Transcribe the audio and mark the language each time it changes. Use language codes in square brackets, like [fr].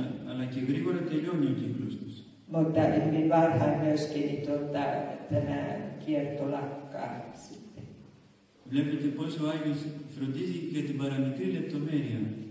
[el] Αλλά και γρήγορα τελειώνει ο κύκλος τους. [fi] Mutta hyvin varhain myöskin niin tämä kierto lakkaa sitten. [el] Βλέπετε πόσο ο Άγιος φροντίζει για την παραμικρή λεπτομέρεια.